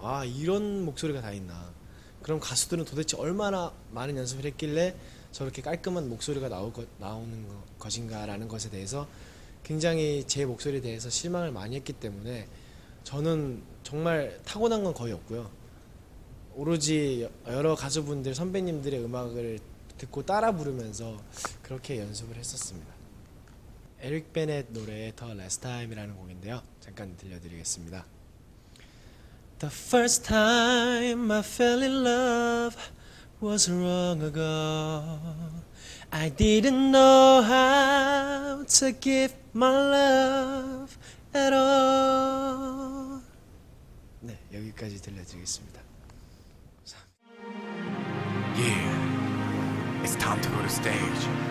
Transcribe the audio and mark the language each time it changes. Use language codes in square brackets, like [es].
[ko] 아, 이런 목소리가 다 있나. 그럼 가수들은 도대체 얼마나 많은 연습을 했길래 저렇게 깔끔한 목소리가 나오는 것인가 라는 것에 대해서 굉장히 제 목소리에 대해서 실망을 많이 했기 때문에 저는 정말 타고난 건 거의 없고요. 오로지 여러 가수분들, 선배님들의 음악을 듣고 따라 부르면서 그렇게 연습을 했었습니다. 에릭 베넷 노래의 The Last Time이라는 곡인데요. 잠깐 들려드리겠습니다. [en] The first time I fell in love was long ago. I didn't know how to give my love at all. [ko] 네, 여기까지 들려드리겠습니다. 자. [en] Yeah, it's time to go to stage.